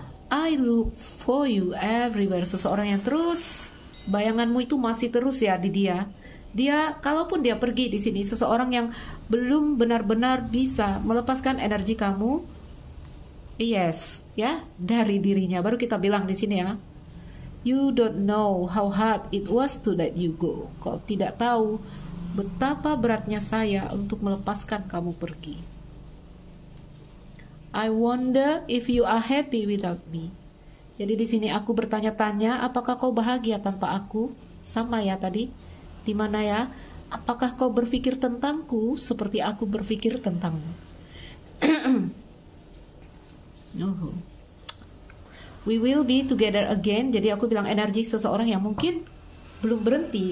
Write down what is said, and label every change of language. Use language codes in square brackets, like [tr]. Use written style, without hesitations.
[en] I look for you everywhere. [id] Seseorang yang terus bayanganmu itu masih terus ya di dia. Dia kalaupun dia pergi di sini, seseorang yang belum benar-benar bisa melepaskan energi kamu. Yes, ya, dari dirinya. Baru kita bilang di sini ya. [en] You don't know how hard it was to let you go. [id] Kau tidak tahu betapa beratnya saya untuk melepaskan kamu pergi. [en] I wonder if you are happy without me. [id] Jadi di sini aku bertanya-tanya, apakah kau bahagia tanpa aku? Sama ya tadi. Di mana ya? Apakah kau berpikir tentangku seperti aku berpikir tentangmu? [en] We will be together again. [id] Jadi aku bilang energi seseorang yang mungkin belum berhenti.